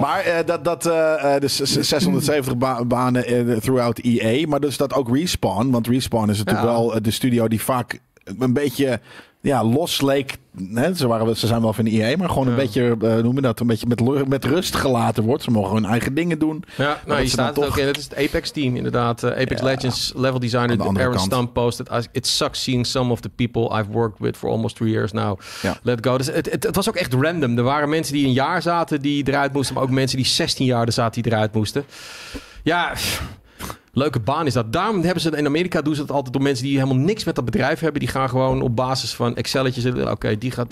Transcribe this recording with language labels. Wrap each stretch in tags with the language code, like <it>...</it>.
<nl>Maar dus 670 banen</nl> <en>throughout</en> <nl>EA, maar dus dat ook Respawn, want Respawn is natuurlijk wel de studio die vaak een beetje los leek. Ze zijn wel van de EA, maar gewoon een beetje, noemen dat, een beetje met rust gelaten wordt. Ze mogen hun eigen dingen doen. Ja, nou, hier staat toch... Dat is het Apex team, inderdaad.</nl> <en>Apex Legends, level designer, Aaron Stump posted, it sucks seeing some of the people I've worked with for almost 3 years now.</en> <nl>Ja.</nl> <en>Let go.</en> <nl>Dus het was ook echt random. Er waren mensen die een jaar zaten die eruit moesten, maar ook mensen die 16 jaar er zaten die eruit moesten. Ja... Leuke baan is dat. Daarom hebben ze het in Amerika, doen ze dat altijd door mensen die helemaal niks met dat bedrijf hebben. Die gaan gewoon op basis van Excelletjes. Oké, die gaat.</nl>